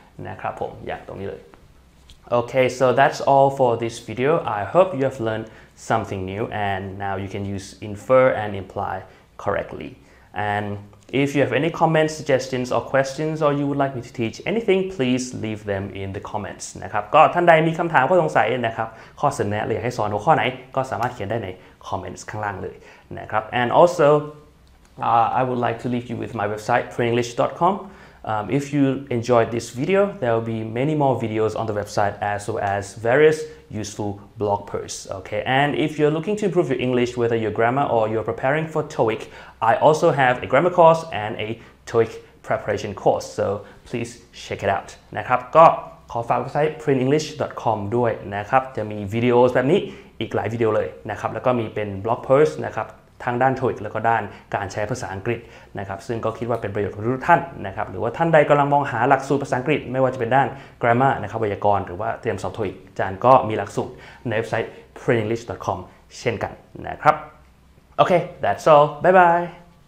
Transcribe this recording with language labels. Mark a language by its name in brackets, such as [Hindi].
[Thai] นะครับผมอย่างตรงนี้เลย [English] okay so that's all for this video I hope you have learned something new and now you can use infer and imply correctly andIf you have any comments, suggestions, or questions, or you would like me to teach anything, please leave them in the comments. [Thai] นะครับก็ท่านใดมีคำถามข้อสงสัยนะครับข้อเสนอแนะหรืออยากให้สอนหัวข้อไหนก็สามารถเขียนได้ใน comments ข้างล่างเลยนะครับ [English] And also, I would like to leave you with my website, preenglish.com. If you enjoyed this video, there will be many more videos on the website as well as various useful blog posts. Okay, and if you're looking to improve your English, whether your grammar or you're preparing for TOEIC, I also have a grammar course and a TOEIC preparation course. So please check it out. [Thai] นะครับก็ขอฝากเว็บไซต์ preenglish.com ด้วยนะครับจะมีวิดีโอแบบนี้อีกหลายวิดีโอเลยนะครับแล้วก็มีเป็นบล็อกโพสต์นะครับทางด้าน TOEIC แล้วก็ด้านการใช้ภาษาอังกฤษนะครับซึ่งก็คิดว่าเป็นประโยชน์ทุกท่านนะครับหรือว่าท่านใดกำลังมองหาหลักสูตรภาษาอังกฤษไม่ว่าจะเป็นด้าน grammar นะครับไวยากรณ์หรือว่าเตรียมสอบ TOEIC อาจารย์ก็มีหลักสูตรในเว็บไซต์ preenglish.com เช่นกันนะครับโอเค [English] that's all bye bye